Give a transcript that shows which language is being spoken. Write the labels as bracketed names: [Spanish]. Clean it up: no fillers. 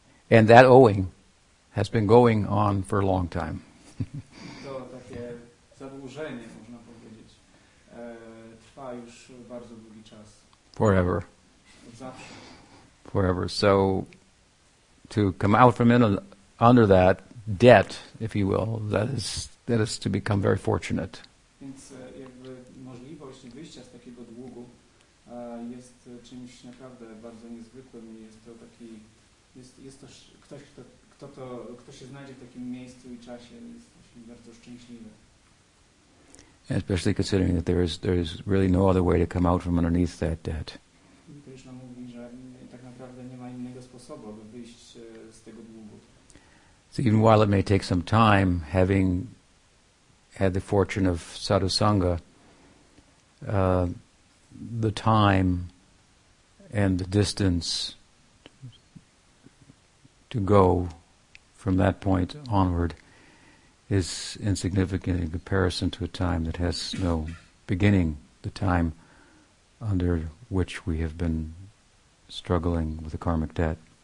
[English] And that owing has been going on for a long time. [Polish] To takie zadłużenie, można powiedzieć, trwa już bardzo długi czas. [English] Forever. [Polish] Od zawsze. [English] Forever. So to come out from under that debt, if you will, that is to become very fortunate. [Polish] Więc jakby możliwość wyjścia z takiego długu jest czymś naprawdę bardzo niezwykłym i jest to taki, jest to ktoś, kto się znajdzie w takim miejscu i czasie, jest bardzo szczęśliwy. [English] Especially considering that there is really no other way to come out from underneath that debt. [Polish] Krishna mówi, że tak naprawdę nie ma innego sposobu, aby wyjść z tego długu. [English] So even while it may take some time, having had the fortune of Sadhu Sangha, the time and the distance to go from that point onward is insignificant in comparison to a time that has no beginning, the time under which we have been struggling with the karmic debt.